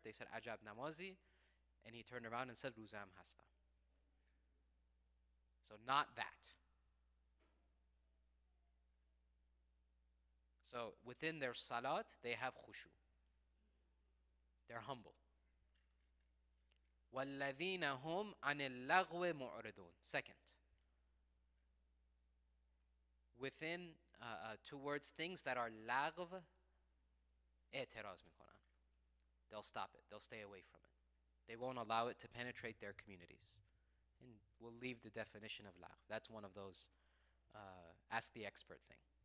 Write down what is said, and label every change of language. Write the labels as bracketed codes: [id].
[en] They said, [fa] عَجَبْ namazi, [en] and he turned around and said, [fa] رُزَامْ hasta. [en] So not that. So within their salat, they have khushu. They're humble. [ar] وَالَّذِينَ هُمْ عَنِ اللَّغْوِ مُعْرِضُونَ. [en] Second. within towards things that are لغو [fa] اعتراض میکنن. [en] They'll stop it. They'll stay away from it. They won't allow it to penetrate their communities. And we'll leave the definition of لغو. That's one of those ask the expert thing.